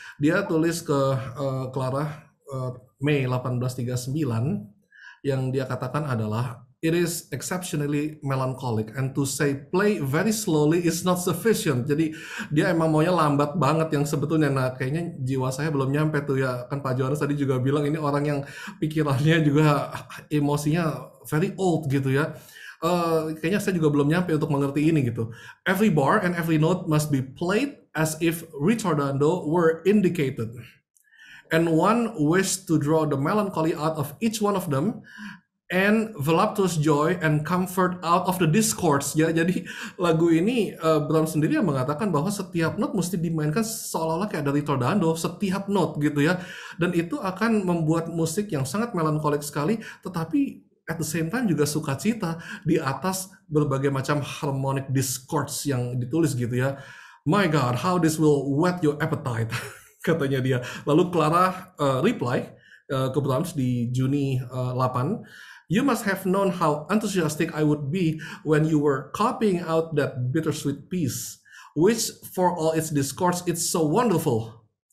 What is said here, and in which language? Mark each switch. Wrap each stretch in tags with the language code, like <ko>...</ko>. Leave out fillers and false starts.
<id>Dia tulis ke Clara Mei 1839, yang dia katakan adalah,</id> <en>"It is exceptionally melancholic, and to say play very slowly is not sufficient."</en> <id>Jadi dia emang maunya lambat banget yang sebetulnya. Nah, kayaknya jiwa saya belum nyampe tuh ya. Kan Pak Johannes tadi juga bilang ini orang yang pikirannya juga emosinya</id> <en>very old</en> <id>gitu ya. Kayaknya saya juga belum nyampe untuk mengerti ini gitu.</id> <en>"Every bar and every note must be played as if ritardando were indicated, and one wished to draw the melancholy out of each one of them, and voluptuous joy and comfort out of the discords."</en> <id>Ya, jadi lagu ini Brahms sendiri yang mengatakan bahwa setiap note mesti dimainkan seolah-olah kayak dari ritardando, setiap note gitu ya. Dan itu akan membuat musik yang sangat melankolik sekali, tetapi</id> <en>at the same time</en> <id>juga sukacita di atas berbagai macam harmonic discords yang ditulis gitu ya.</id> <en>"My God, how this will whet your appetite,"</en> <id>katanya dia. Lalu Clara reply ke Brahms di Juni 8,</id> <en>"You must have known how enthusiastic I would be when you were copying out that bittersweet piece, which for all its discords, it's so wonderful.</en>